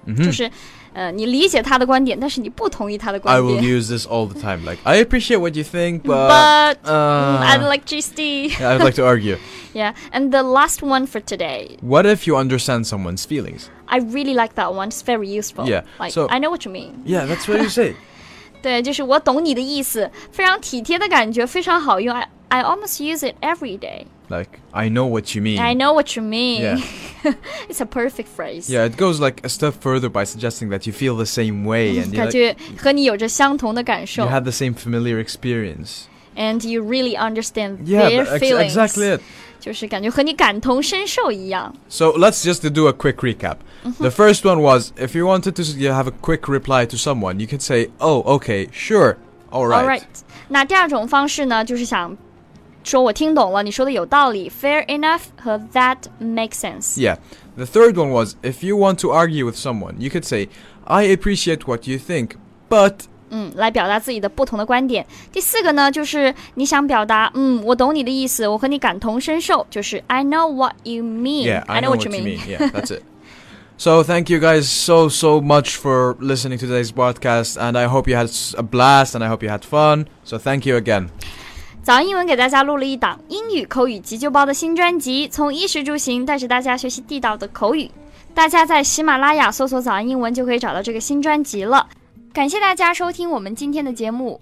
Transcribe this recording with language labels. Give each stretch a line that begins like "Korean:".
Chinese: mm-hmm. 就是、你理解他的观点但是你不同意他的观点
English: I will use this all the time Like I appreciate what you think But, I'd like GSD yeah, I'd like to argue Yeah, and the last one for today What if you understand someone's feelings? I really like that one, it's very useful Yeah, like, so I know what you mean Yeah, that's what you say
Chinese: 对，就是我懂你的意思，非常体贴的感觉，非常好用。
English: I almost use it every day. Like, I know what you mean. I know what you mean. Yeah. It's a perfect phrase. Yeah, it goes like a step further by suggesting that you feel the same way. And
Chinese: 感觉和你有着相同的感受。
English: You had the same familiar experience. And you really understand yeah, their feelings. Yeah, exactly it.
Chinese: 就是感觉和你感同身受一样。
English: So let's just do a quick recap.、 Mm-hmm. The first one was, if you wanted to have a quick reply to someone, you could say, oh, okay, sure, all right. All right.
Chinese: 那第二种方式呢，就是想说我听懂了，你说的有道理。
English: Fair enough 和 that makes sense. Yeah. The third one was, if you want to argue with someone, you could say, I appreciate what you think, but...
Chinese: 来表达自己的不同的观点。第四个呢，就是你想表达，我懂你的意思，我和你感同身受，就是
English: I know what you mean. Yeah, I know what you mean. Yeah, that's it. So thank you guys so much for listening to today's podcast, and I hope you had a blast, and I hope you had fun. So thank you again.
Chinese: 早安英文给大家录了一档英语口语急救包的新专辑，从衣食住行带着大家学习地道的口语。大家在喜马拉雅搜索“早安英文”就可以找到这个新专辑了。感谢大家收听我们今天的节目。